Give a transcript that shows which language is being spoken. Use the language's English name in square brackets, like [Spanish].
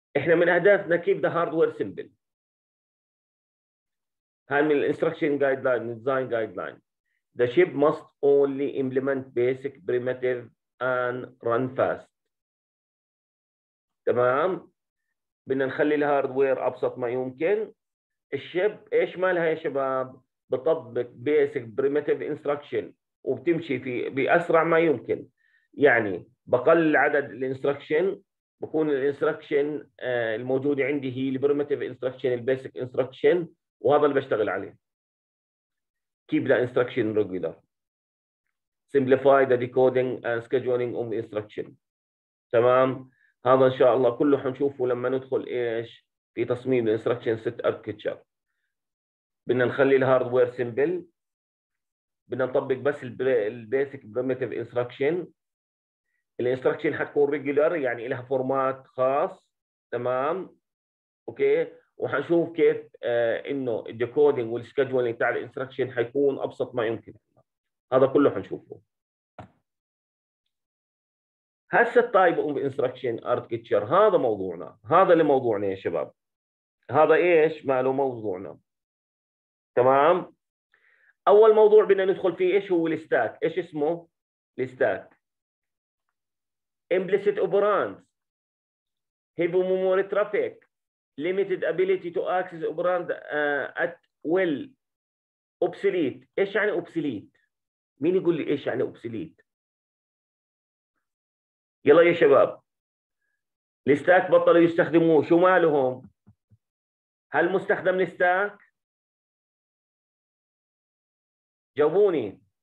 [Arabic] احنا من اهدافنا [English] keep the hardware simple، [Arabic] هاي من instruction guideline design guideline. [English] The chip must only implement basic primitive and run fast. [Arabic] تمام؟ بدنا نخلي الهاردوير أبسط ما يمكن. الشيب إيش مالها يا شباب؟ بطبق basic primitive instruction وبتمشي في بأسرع ما يمكن. يعني بقلل عدد الانستركشن، بكون الانستركشن الموجودة عندي هي primitive instruction basic instruction، وهذا اللي بشتغل عليه. [English] Keep the instruction regular. Simplify the decoding and scheduling of instruction. [Arabic] تمام؟ هذا إن شاء الله كله حنشوفه لما ندخل إيش في تصميم instruction set architecture. بدنا نخلي الهاردوير simple. بدنا نطبق بس البيسك primitive instruction. الانستركشن حتكون regular، يعني لها فورمات خاص. تمام؟ أوكي؟ وحنشوف كيف انه الديكودينج والسكجولينج تاع الانستركشن حيكون ابسط ما يمكن. هذا كله حنشوفه. هسه التايب اوف انستركشن اركتشر، هذا موضوعنا، هذا اللي موضوعنا يا شباب. هذا ايش ماله موضوعنا؟ تمام؟ اول موضوع بدنا ندخل فيه ايش هو الستاك؟ ايش اسمه؟ الستاك. [English] Implicit operands. Heavy memory traffic. Limited ability to access operand at will. Obsolete. [Arabic] إيش يعني obsolete؟ مين يقول لي إيش يعني obsolete؟ يلا يا شباب. الستاك بطلوا يستخدموه، شو مالهم؟ هل مستخدم الستاك؟ جاوبوني.